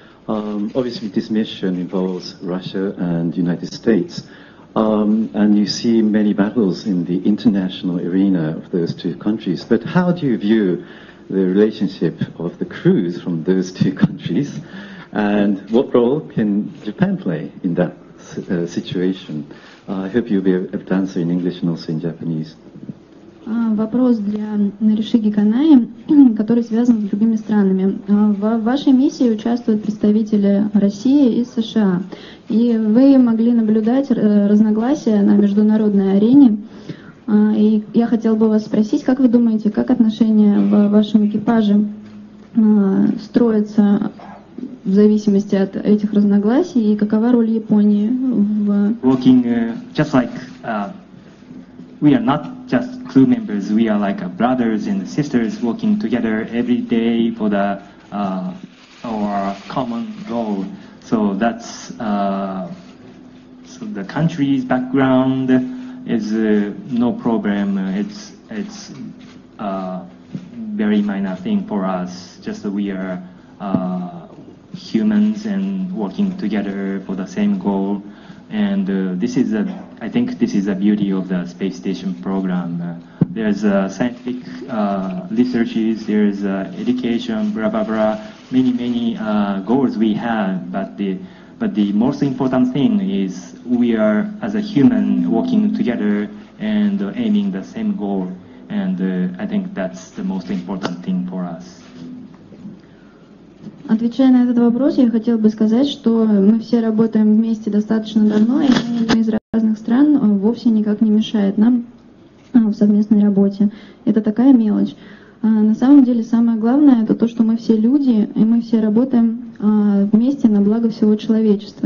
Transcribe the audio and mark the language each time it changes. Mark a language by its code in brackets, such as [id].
[en] Obviously, this mission involves Russia and United States, and you see many battles in the international arena of those two countries. But how do you view the relationship of the crews from those two countries, and what role can Japan play in that situation? I hope you'll be able to answer in English and also in Japanese. [ru] Вопрос для Наришиги Канаи, который связан с другими странами. В вашей миссии участвуют представители России и США. И вы могли наблюдать разногласия на международной арене. И я хотела бы вас спросить, как вы думаете, как отношения в вашем экипаже строятся в зависимости от этих разногласий, и какова роль Японии в... [en] Working, just like... We are not just crew members, we are like brothers and sisters working together every day for the our common goal. So that's so the country's background is no problem. It's a very minor thing for us, just that we are humans and working together for the same goal. And this is a, I think this is the beauty of the space station program. There's scientific researches, there's education, blah blah blah, many goals we have. But the most important thing is we are as a human working together and aiming the same goal. And I think that's the most important thing for us. [ru] Отвечая на этот вопрос, я хотела бы сказать, что мы все работаем вместе достаточно давно, и мы из разных стран вовсе никак не мешает нам в совместной работе. Это такая мелочь. На самом деле самое главное — это то, что мы все люди, и мы все работаем вместе на благо всего человечества.